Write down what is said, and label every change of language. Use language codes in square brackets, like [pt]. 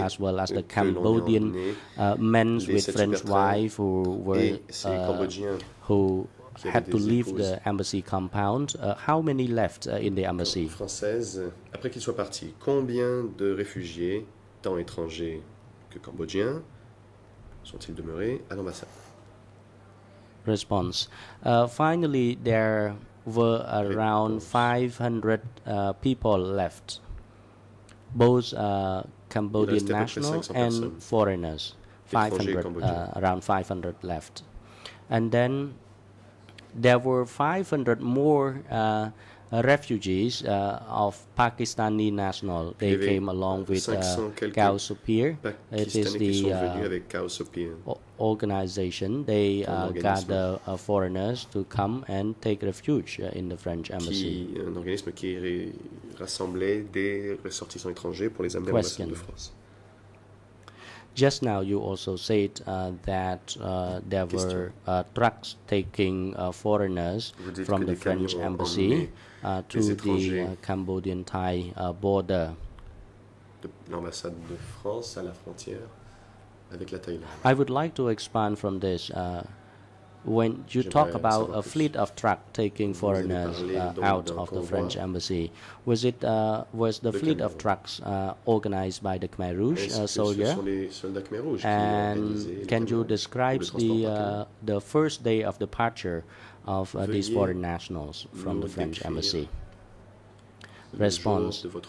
[en] as well as the Cambodian men with French wife who were who had to leave the embassy compound, how many left in the embassy? [fr] Française, après qu'ils soient partis, combien de réfugiés, tant étrangers que cambodgiens, sont-ils demeurés à l'ambassade? [en] Response. Finally, there were around 500 people left, both Cambodian nationals and foreigners. 500, around 500 left. And then there were 500 more refugees of Pakistani national. They came along with Khao Sophia. It is the organization. They gather foreigners to come and take refuge in the French embassy. [fr] Un organisme qui rassemblait des ressortissants étrangers pour les amener à l'ambassade de France. [en] Just now, you also said that there were trucks taking foreigners from the French embassy to the Cambodian-Thai border. [fr] L'ambassade de France à la frontière avec la Thaïlande. [en] I would like to expand from this. When you talk about a fleet of trucks taking foreigners out of the French embassy, was it was the fleet of trucks organized by the Khmer Rouge soldier? And can you describe the first day of departure of these foreign nationals from the French embassy? Response.